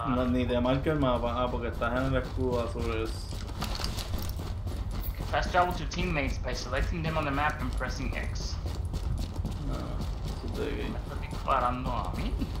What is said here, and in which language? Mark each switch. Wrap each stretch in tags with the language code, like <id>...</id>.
<es>Ni te marca el mapa, porque estás en el escudo azul. Es.</es> <en>Fast travel to teammates by selecting them on the map and pressing X.</en> <es>No, eso es de aquí. ¿Me estás disparando a mí?</es>